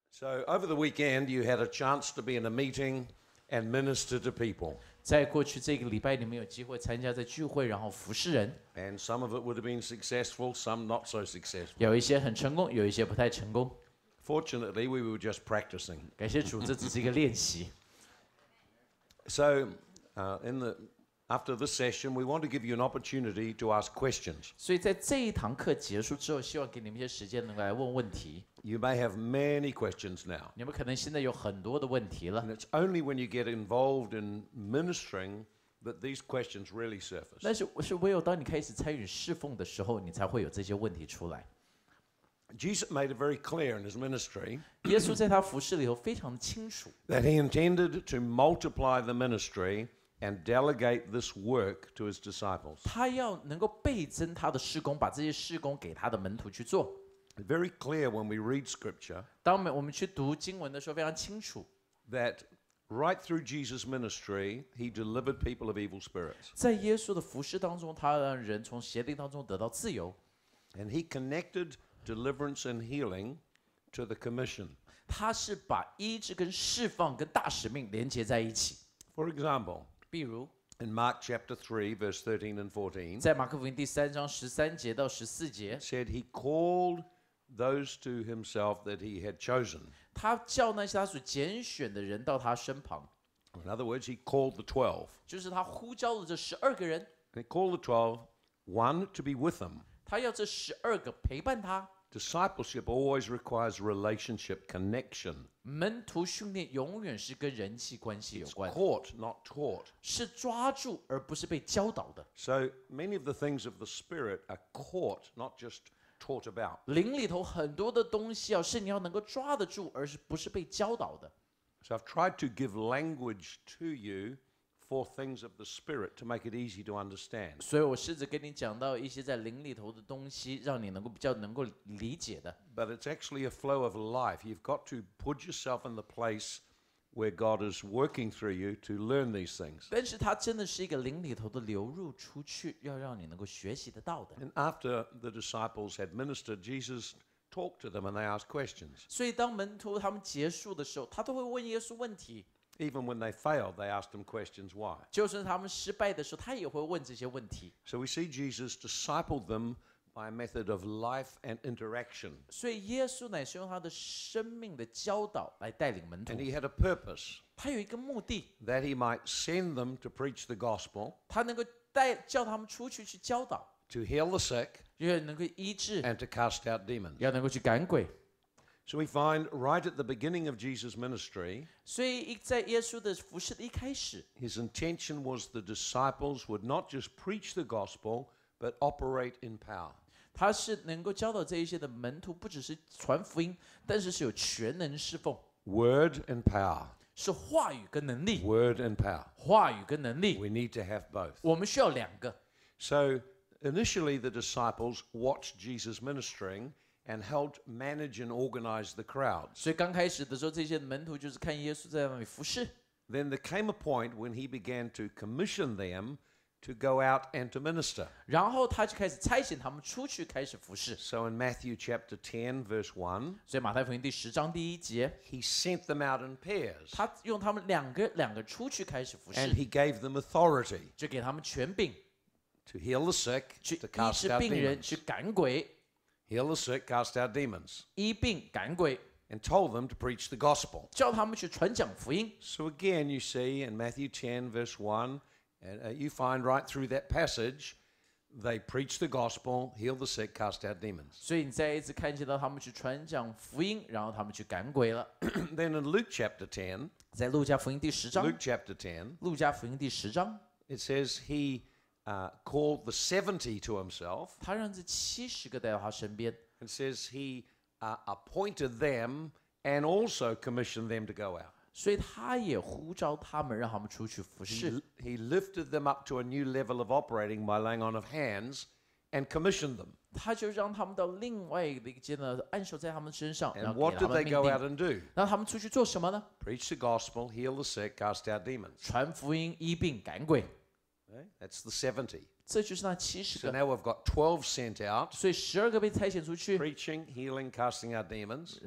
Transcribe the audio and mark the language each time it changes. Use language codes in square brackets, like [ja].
[en] So over the weekend, you had a chance to be in a meeting and minister to people. [zh] 在过去这个礼拜，你们有机会参加这聚会，然后服侍人。 [en] And some of it would have been successful, some not so successful. [zh] 有一些很成功，有一些不太成功。 [en] Fortunately, we were just practicing. [zh] 感谢主，这只是一个练习。 [en] So, after this session, we want to give you an opportunity to ask questions. [zh] 所以在这一堂课结束之后，希望给你们一些时间，能够来问问题。 [en] You may have many questions now. [zh] 你们可能现在有很多的问题了。 [en] And it's only when you get involved in ministering that these questions really surface. [zh] 但是唯有当你开始参与侍奉的时候，你才会有这些问题出来。 [en] Jesus made it very clear in his ministry. [zh] 耶稣在他服事里头非常清楚。 [en] That he intended to multiply the ministry and delegate this work to his disciples. [zh] 他要能够倍增他的事工，把这些事工给他的门徒去做。 [en] Very clear when we read scripture. [zh] 当我们去读经文的时候，非常清楚。 [en] That right through Jesus' ministry, he delivered people of evil spirits. [zh] 在耶稣的服事当中，他让人从邪灵当中得到自由。 [en] And he connected deliverance and healing to the commission. [zh] 他是把医治跟释放跟大使命连接在一起。 [en] For example, [zh] 比如 [en] in Mark chapter 3, verse 13 and 14, [zh] 在马可福音第三章十三节到十四节 [en] said he called those to himself that he had chosen. [zh] 他叫那些他所拣选的人到他身旁。 [en] In other words, he called the 12. [zh] 就是他呼召了这十二个人。 [en] He called the 12, one to be with him. [zh] 他要这十二个陪伴他。 [en] Discipleship always requires relationship connection. [zh] 门徒训练永远是跟人际关系有关。 [en] It's caught, not taught. [zh] 是抓住而不是被教导的。 [en] So many of the things of the spirit are caught, not just taught about. [zh] 灵里头很多的东西啊，是你要能够抓得住，而是不是被教导的。 [en] So I've tried to give language to you. For things of the spirit to make it easy to understand. [zh] 所以我试着跟你讲到一些在灵里头的东西，让你能够比较能够理解的。 [en] But it's actually a flow of life. You've got to put yourself in the place where God is working through you to learn these things. [zh] 但是它真的是一个灵里头的流入出去，要让你能够学习得到的。 [en] And after the disciples had ministered, Jesus talked to them and they asked questions. [zh] 所以当门徒他们结束的时候，他都会问耶稣问题。 [en] Even when they failed, they asked him questions why. [zh] 就算他们失败的时候，他也会问这些问题。 [en] So we see Jesus discipled them by a method of life and interaction. [zh] 所以耶稣乃是用他的生命的教导来带领门徒。 [en] And he had a purpose. [zh] 他有一个目的。 [en] That he might send them to preach the gospel. [zh] 他能够带叫他们出去去教导。 [en] To heal the sick. [zh] 要能够医治。 [en] And to cast out demons. [zh] 要能够去赶鬼。 [en] So we find right at the beginning of Jesus' ministry, [zh] 所以在耶稣的服事的一开始 [en] his intention was the disciples would not just preach the gospel, but operate in power. [zh] 他是能够教导这一些的门徒不只是传福音，但是是有全能侍奉。 [en] Word and power. [zh] 是话语跟能力。 [en] Word and power. [zh] 话语跟能力。 [en] We need to have both. [zh] 我们需要两个。 [en] So initially the disciples watched Jesus ministering,And helped manage and organize the crowds. [zh] 所以刚开始的时候，这些门徒就是看耶稣在那里服事。 [en] Then there came a point when he began to commission them to go out and to minister. [zh] 然后他就开始差遣他们出去开始服事。 [en] So in Matthew chapter 10, verse 1, [zh] 所以马太福音第十章第一节 [en] he sent them out in pairs. [zh] 他用他们两个两个出去开始服事。 [en] And he gave them authority. [zh] 就给他们权柄 [en] to heal the sick, to cast out demons, [zh] 去赶鬼。 [en] Heal the sick, cast out demons. [zh] 医病赶鬼 [en] And told them to preach the gospel. [zh] 叫他们去传讲福音 [en] So again, you see in Matthew 10, verse 1, you find right through that passage, they preach the gospel, heal the sick, cast out demons. [zh] 所以你再一次看见到他们去传讲福音，然后他们去赶鬼了 [en] Then in Luke chapter 10, [zh] 在路加福音第十章 [en] Luke chapter 10, [zh] 路加福音第十章 [en] it says he. Called the 70 to himself. [zh] 他让这七十个带到他身边 [en] And says he appointed them and also commissioned them to go out. [zh] 所以他也呼召他们，让他们出去服事。 [en] He lifted them up to a new level of operating by laying on of hands and commissioned them. [zh] 他就让他们到另外一个阶段，按手在他们身上。 [en] And what did they go out and do? [zh] 让他们出去做什么呢 [en] ？Preach the gospel, heal the sick, cast out demons. [zh] 传福音，医病，赶鬼。 [en] That's the 70. So now we've got 12 sent out. [zh] 所以12个被差遣出去, [en] preaching, healing, casting out demons.